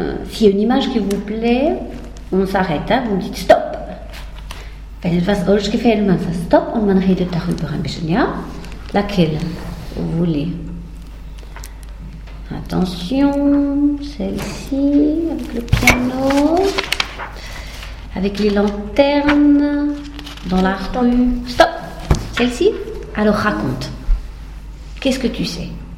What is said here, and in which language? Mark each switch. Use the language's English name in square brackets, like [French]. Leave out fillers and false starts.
[French] S'il y a une image qui vous plaît, on s'arrête, hein, vous me dites stop. [German] Wenn etwas euch gefällt, man sagt stop und man redet darüber ein bisschen, ja? [French] Laquelle vous voulez? Attention, celle-ci, avec le piano, avec les lanternes, dans la rue. Stop! Celle-ci? Alors raconte. Qu'est-ce que tu sais?